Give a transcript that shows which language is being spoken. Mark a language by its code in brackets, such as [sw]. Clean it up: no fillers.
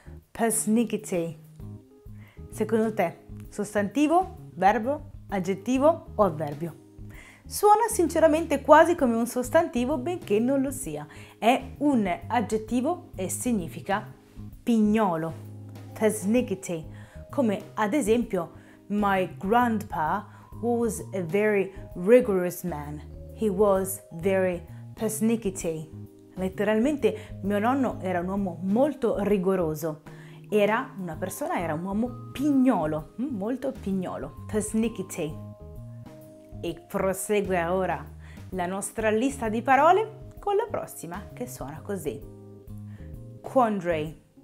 [it] Persnickety. Secondo te, sostantivo, verbo, aggettivo o avverbio? Suona sinceramente quasi come un sostantivo, benché non lo sia. È un aggettivo e significa pignolo. Persnickety. Come ad esempio [en] "My grandpa was a very rigorous man. He was very persnickety". [it] Letteralmente, mio nonno era un uomo molto rigoroso. Era un uomo pignolo, molto pignolo. Persnickety. E prosegue ora la nostra lista di parole con la prossima, che suona così. Quandary.